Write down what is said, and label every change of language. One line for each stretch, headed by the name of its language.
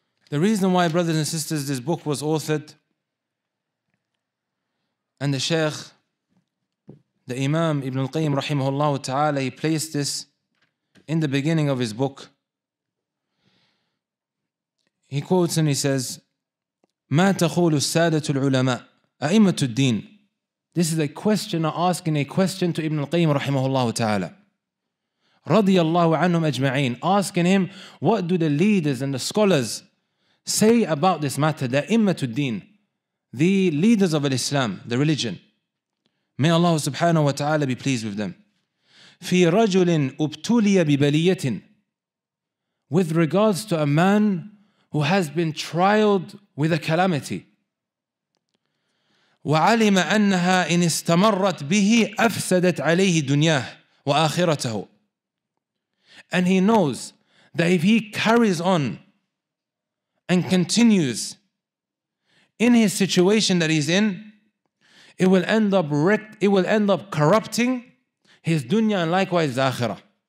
English: The reason why, brothers and sisters, this book was authored, and the Shaykh, the Imam Ibn al-Qayyim rahimahullah ta'ala, he placed this in the beginning of his book. He quotes and he says,
Arabic: مَا تَخُولُ السَّادَةُ الْعُلَمَاءُ أَئِمَّةُ الدِّينِ.
English: This is a questioner asking a question to Ibn al-Qayyim rahimahullah ta'ala.
Arabic: رَضِيَ اللَّهُ عَنْهُمْ أَجْمَعِينَ.
English: Asking him, what do the leaders and the scholars say about this matter, the
Arabic: أِمَّةُ الدِّينِ,
English: the leaders of Islam, the religion. May Allah subhanahu wa ta'ala be pleased with them.
Arabic: في رجل ابتلي ببلية.
English: With regards to a man who has been trialed with a calamity.
Arabic: وعلم أنها إن استمرت به أفسدت عليه دنياه وآخرته.
English: And he knows that if he carries on and continues in his situation that he's in, it will end up corrupting his dunya and likewise the akhirah.